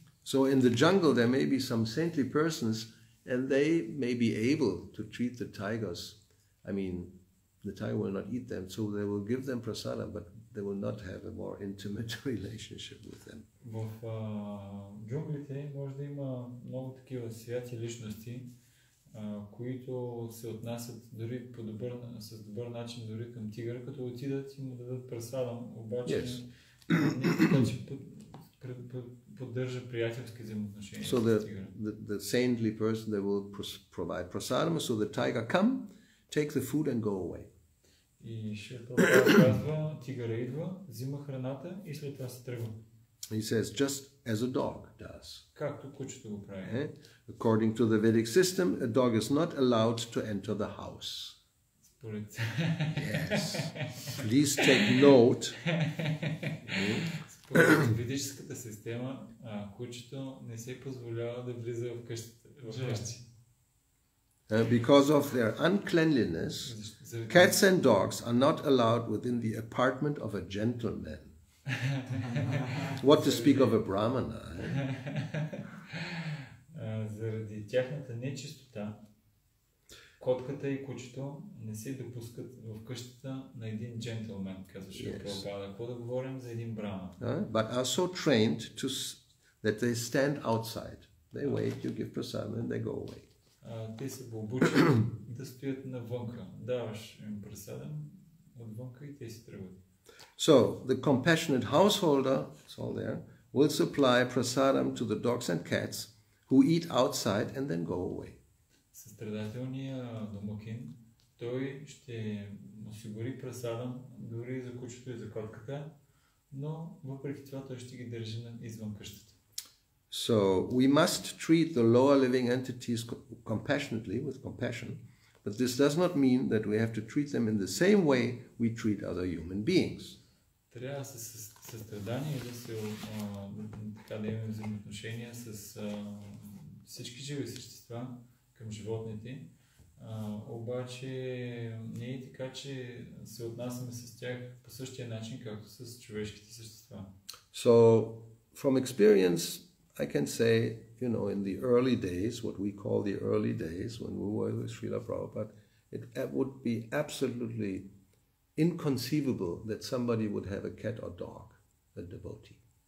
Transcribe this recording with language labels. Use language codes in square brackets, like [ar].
[en] So in the jungle there may be some saintly persons and they may be able to treat the tigers I mean, the Thai will not eat them, so they will give them prasadam, but they will not have a more intimate relationship with them. [bg] В джунглите може да има много такива святи личности, които се отнасят дори по-добър, с добър начин дори към тигър, като отидат и му дадат прасадам, обаче [en] yes. [bg] не така, че поддържа приятелски взаимоотношения so с тигър. [en] The saintly person they will provide prasadam, so the tiger come, take the food and go away. [bg] И ще казва, тигъра идва, взима храната и след това се тръгва. [en] He says, just as a dog does. [bg] Както кучето го прави. Eh? [en] According to the Vedic system, a dog is not allowed to enter the house. [bg] Според. [en] Yes. Please take note. [bg] Според ведическата система, кучето не се позволява да влиза в къщи. [en] Because of their uncleanliness, cats and dogs are not allowed within the apartment of a gentleman. What to speak of a brahmana? [bg] Заради тяхната нечистота, котката и кучето не се допускат в къщата на един джентлмен, казваше Прабхупада. Какво да говорим за един брама? [en] But are so trained to that they stand outside. They wait, you give prasadam and they go away. [bg] Те са обучени да стоят навънка. Даваш им прасадам отвънка и те си тръгват. [en] So the compassionate householder, it's all there, will supply prasadam to the dogs and cats who eat outside and then go away. [bg] Състрадателният домакин, той ще осигури прасадам дори за кучето и за котката, но въпреки това той ще ги държи извън къщата. [en] So we must treat the lower living entities compassionately, with compassion, but this does not mean that we have to treat them in the same way we treat other human beings. [bg] Трябва със състрадание да се така да имаме взаимоотношения с всички живи същества към животните. Обаче не е така, че се отнасяме с тях по същия начин, както с човешките същества. [en] So, from experience, I can say, you know, in the early days, what we call the early days, when we were with Srila Prabhupada, it would be absolutely inconceivable that somebody would have a cat or dog, a devotee.